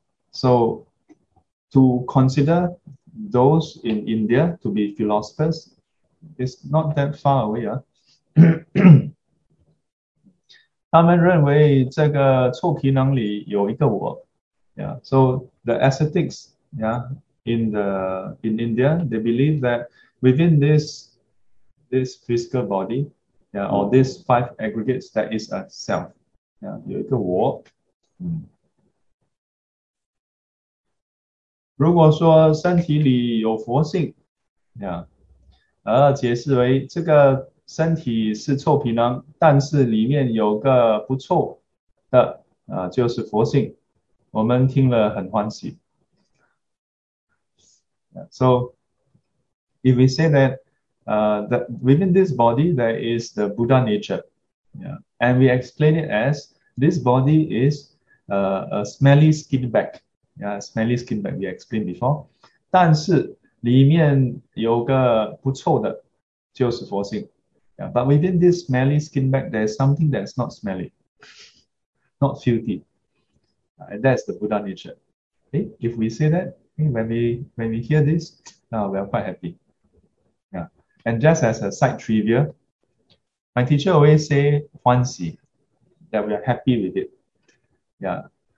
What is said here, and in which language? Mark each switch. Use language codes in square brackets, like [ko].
[en] So to consider those in India to be philosophers is not that far away 他们认为这个臭皮囊里有一个我， So the ascetics in India, they believe that within this physical body, or these five aggregates, that is a self, 有一个我。 [zh] 如果说身体里有佛性，而解释为这个身体是臭皮囊，但是里面有个不臭的，就是佛性，我们听了很欢喜。 [en] So if we say that, that within this body there is the Buddha nature, and we explain it as this body is a smelly skin bag. Smelly skin bag, we explained before. [zh] 但是里面有个不臭的，就是佛性。 [en] But within this smelly skin bag, there's something that's not smelly, not filthy. That's the Buddha nature. If we say that, when we hear this, we are quite happy. And just as a side trivia, my teacher always say, 欢喜, that we are happy with it.